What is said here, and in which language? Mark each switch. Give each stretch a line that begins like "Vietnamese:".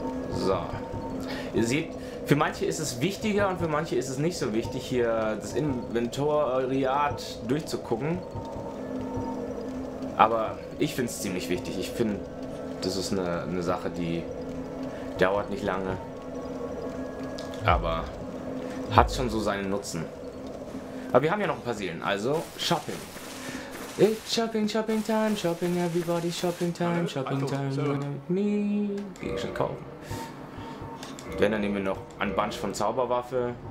German: So. Ihr seht, für manche ist es wichtiger und für manche ist es nicht so wichtig, hier das Inventariat durchzugucken. Aber ich finde es ziemlich wichtig. Ich finde, das ist eine Sache, die dauert nicht lange. Aber hat schon so seinen Nutzen. Aber wir haben ja noch ein paar Seelen, also Shopping.
English: It's shopping, shopping time, shopping everybody, shopping time, so with me.
German: Geh schon kaufen. Denn dann nehmen wir noch ein Bunch von Zauberwaffe.